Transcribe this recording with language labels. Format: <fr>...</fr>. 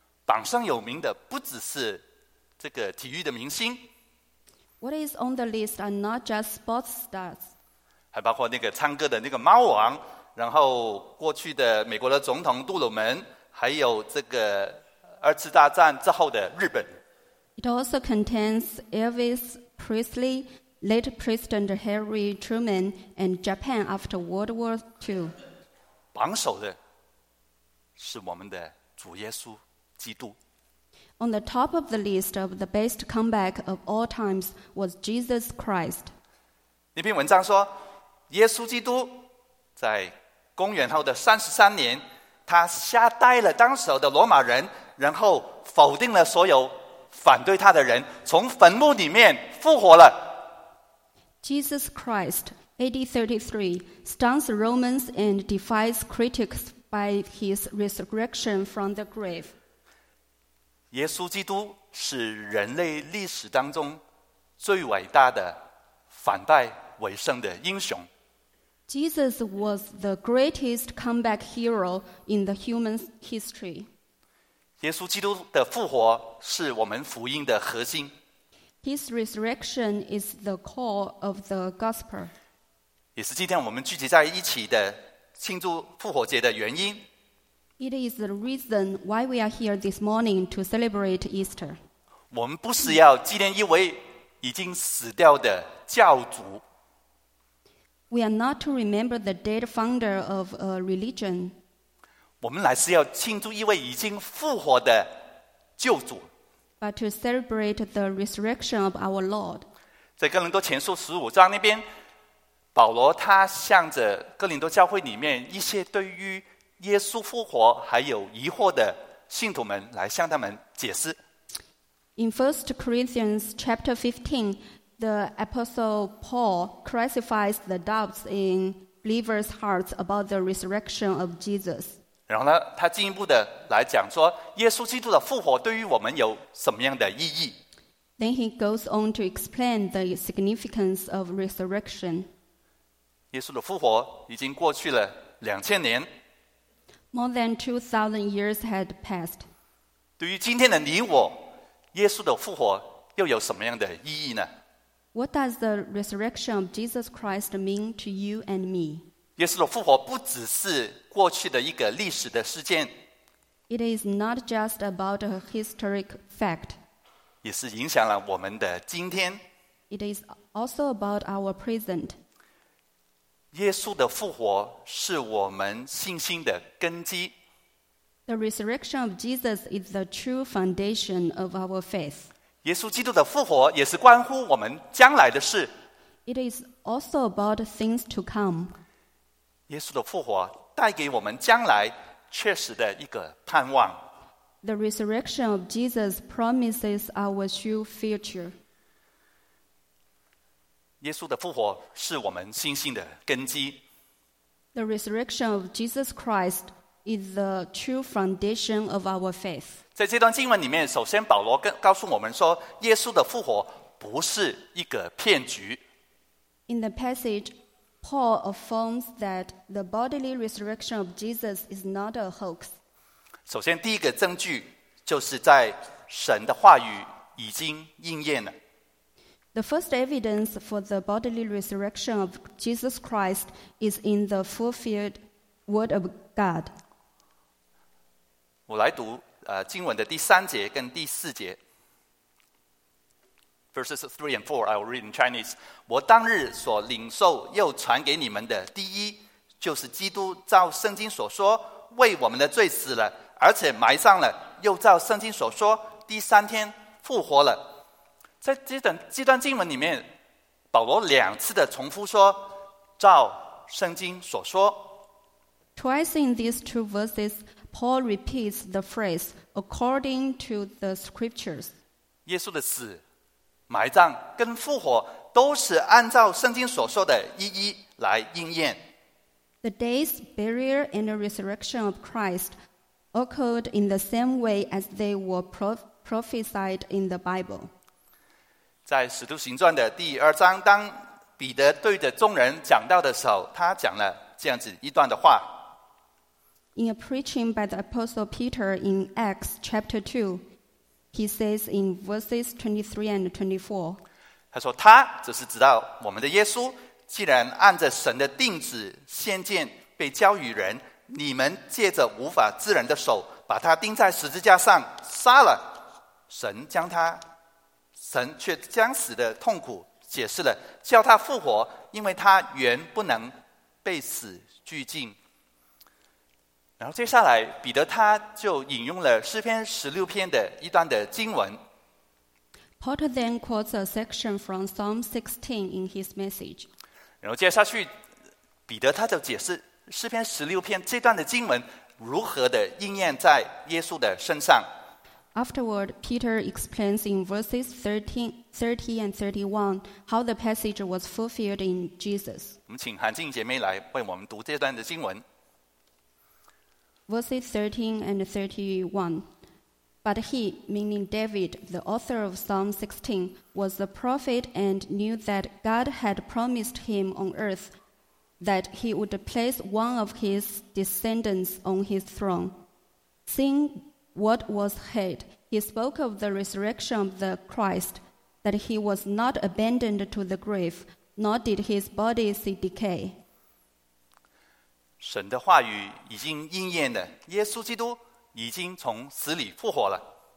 <zh>榜上有名的不只是这个体育的明星。</zh> <en>What is on the list are not just sports stars.</en> <zh>还包括那个唱歌的那个猫王，然后过去的美国的总统杜鲁门，还有这个二次大战之后的日本。</zh> <en>It also contains Elvis Presley,Late President Harry Truman and Japan after World War II.</en> <zh>榜首的是我们的主耶稣基督。</zh> <en>On the top of the list of the best comeback of all times was Jesus Christ.</en> <zh>那篇文章说，耶稣基督在公元后的33年，他吓呆了当时的罗马人，然后否定了所有反对他的人，从坟墓里面复活了。</zh> <en>Jesus Christ, AD 33, stuns Romans and defies critics by his resurrection from the grave.</en> <zh>耶稣基督是人类历史当中最伟大的反败为胜的英雄。</zh> <en>Jesus was the greatest comeback hero in the human history.</en> <zh>耶稣基督的复活是我们福音的核心。</zh> <en>His resurrection is the core of the gospel.</en> <zh>也是今天我们聚集在一起的庆祝复活节的原因。</zh> <en>It is the reason why we are here this morning to celebrate Easter.</en> <zh>我们不是要纪念一位已经死掉的教主。</zh> <en>We are not to remember the dead founder of a religion.</en> <zh>我们乃是要庆祝一位已经复活的救主。</zh> <en>But to celebrate the resurrection of our Lord.</en> <zh>在哥林多前书十五章那边，保罗他向着哥林多教会里面一些对于耶稣复活还有疑惑的信徒们来向他们解释。</zh> <en>In 1 Corinthians chapter 15, The Apostle Paul clarifies the doubts in believers' hearts about the resurrection of Jesus.</en> <zh>然后呢，他进一步的来讲说，耶稣基督的复活对于我们有什么样的意义？</zh> <en>Then he goes on to explain the significance of resurrection.</en> <zh>耶稣的复活已经过去了2000年。</zh> <en>More than 2,000 years had passed.</en> <zh>对于今天的你我，耶稣的复活又有什么样的意义呢？</zh> <en>What does the resurrection of Jesus Christ mean to you and me?</en> <zh>耶稣的复活不只是过去的一个历史的事件。</zh> <en>It is not just about a historic fact.</en> <zh>也是影响了我们的今天。</zh> <en>It is also about our present.</en> <zh>耶稣的复活是我们信心的根基。</zh> <en>The resurrection of Jesus is the true foundation of our faith.</en> <zh>耶稣基督的复活也是关乎我们将来的事。</zh> <en>It is also about things to come.</en> <zh>耶稣的复活带给我们将来确实的一个盼望。</zh> <en>The resurrection of Jesus promises our true future.</en> <zh>耶稣的复活是我们信心的根基。</zh> <en>The resurrection of Jesus Christ is the true foundation of our faith.</en> <zh>在这段经文里面，首先保罗告诉我们说，耶稣的复活不是一个骗局。</zh> <en>In the passage, Paul affirms that the bodily resurrection of Jesus is not a hoax.</en> <zh>首先，第一个证据就是在神的话语已经应验了。</zh> <en>The first evidence for the bodily resurrection of Jesus Christ is in the fulfilled word of God.</en> <zh>我来读。经文的第三节跟第四节</zh> <en>Verses 3 and 4 I will read in Chinese</en> <zh>我当日所领受又传给你们的第一就是基督照圣经所说为我们的罪死了而且埋葬了又照圣经所说第三天复活了在这段经文里面保罗两次的重复说照圣经所说</zh> <en>Twice in these two versesPaul repeats the phrase according to the scriptures.</en> <zh>耶稣的死、埋葬跟复活都是按照圣经所说的一一来应验。</zh> <en>The death, burial, and resurrection of Christ occurred in the same way as they were prophesied in the Bible.</en> <zh>在《使徒行传》的第二章，当彼得对着众人讲道的时候，他讲了这样子一段的话。</zh> <en>In a preaching by the Apostle Peter in Acts chapter 2, he says in verses 23 and 24,</en> <zh>他说他只是知道我们的耶稣既然按着神的定旨献祭被交与人你们借着无法治人的手把他钉在十字架上杀了神却将死的痛苦解释了叫他复活因为他原不能被死拘禁然后接下来彼得他就引用了诗篇十六篇的一段的经文</zh> <en>Paul then quotes a section from Psalm 16 in his message</en> <zh>然后接下去彼得他就解释诗篇十六篇这段的经文如何的应验在耶稣的身上</zh> <en>Afterward, Peter explains in verses 30 and 31 how the passage was fulfilled in Jesus</en> <zh>我们请韩静姐妹来为我们读这段的经文</zh> <en>Verses 13 and 31. But he, meaning David, the author of Psalm 16, was a prophet and knew that God had promised him on earth that he would place one of his descendants on his throne. Seeing what was ahead, he spoke of the resurrection of the Christ, that he was not abandoned to the grave, nor did his body see decay.</en> <zh>神的话语已经应验了，耶稣基督已经从死里复活了。</zh>